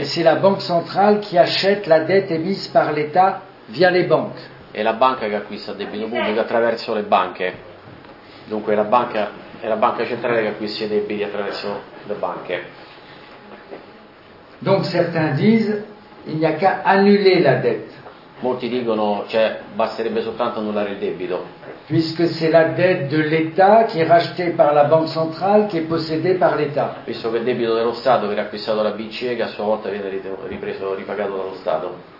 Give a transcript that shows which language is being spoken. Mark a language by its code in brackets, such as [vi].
[fr] Et c'est la banque centrale qui achète la dette émise par l'État via les banques. [it] È la banca che acquista debito pubblico attraverso le banche. Dunque è la banca centrale che acquista i debiti attraverso le banche. [fr] Donc certains disent il n'y a qu'à annuler la dette. [it] Molti dicono cioè basterebbe soltanto annullare il debito. [fr] Puisque c'est la dette de l'État qui est rachetée par la banque centrale qui est possédée par l'État. [it] Visto che il debito dello Stato viene acquistato dalla BCE che a sua volta viene ripagato dallo Stato.